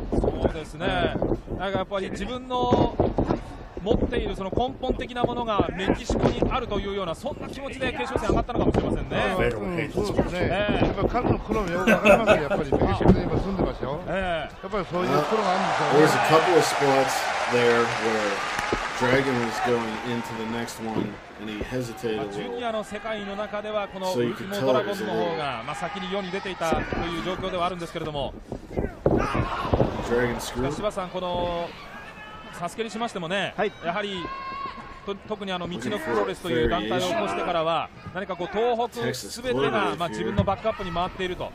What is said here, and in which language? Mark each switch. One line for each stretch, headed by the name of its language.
Japanese: そうですね、なんかやっぱり自分の持っているその根本的なものがメキシコにあるというような、そんな気持ちで決勝戦上がったのかもしれませんね。そうですね、やっぱ彼の苦労もよく分からなくて、やっぱりメキシコで今住んでますよ、やっぱりそういう苦労があるんですよね。
English: There's a couple of spots there where Dragon was going into the next one and he hesitated a little.
Japanese: ジュニアの世界の中ではこのウルティモドラゴンの方が、まあ、先に世に出ていたという状況ではあるんですけれども、
English: Dragon screw.
Japanese: しかし柴さん、このサスケにしましてもね、はい、やはり特にあの道のプロレスという団体を起こしてからは、何かこう東北全てが、まあ、自分のバックアップに回っていると、